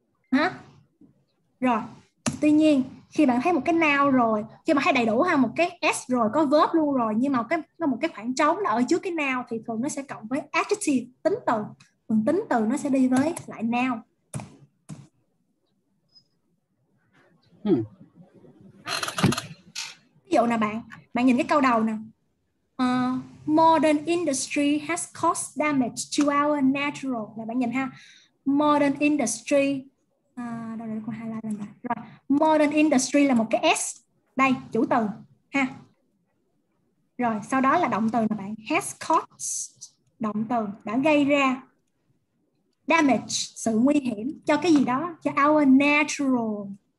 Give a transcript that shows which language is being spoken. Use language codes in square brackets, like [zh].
[vi] Hả? Rồi. Tuy nhiên, khi bạn thấy một cái noun rồi, khi mà thấy đầy đủ ha, một cái S rồi, có verb luôn rồi, nhưng mà cái nó một cái khoảng trống là ở trước cái noun thì thường nó sẽ cộng với adjective, tính từ. Phần tính từ nó sẽ đi với lại noun. Ví dụ nè bạn, bạn nhìn cái câu đầu nè. [en] Modern industry has caused damage to our natural. [vi] Là bạn nhìn ha. Modern industry. Rồi. Modern industry là một cái S. Đây, chủ từ ha. Rồi, sau đó là động từ nè bạn. [en] Has caused. [vi] Động từ đã gây ra damage, sự nguy hiểm cho cái gì đó, cho our natural.